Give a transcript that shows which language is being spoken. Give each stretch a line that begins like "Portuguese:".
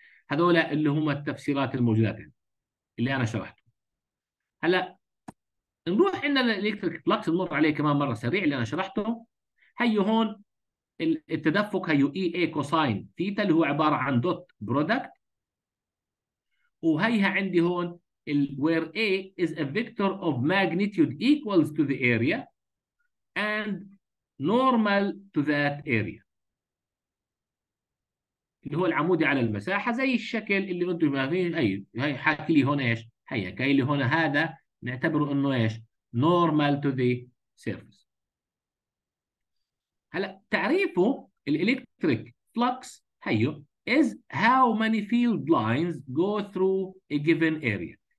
Arabic: هذول اللي هم التفسيرات الموجودات اللي انا شرحته. هلا نروح عندنا الالكتريك فلكس، نمر عليه كمان مره سريع اللي انا شرحته. هيو هون التدفق هيو اي اي كوساين ثيتا، اللي هو عباره عن دوت برودكت. وهيها عندي هون
English: where A is a vector of magnitude equals to the area and normal to that area.
Arabic: اللي هو العمودي على المساحة، زي الشكل اللي انتم شايفين. اي هي حاكي لي هون ايش؟ هي كاي لي هون، هذا نعتبره انه ايش؟
English: normal to the surface.
Arabic: هلا تعريفه الالكتريك فلكس هيو
English: is how many field lines go through a given area.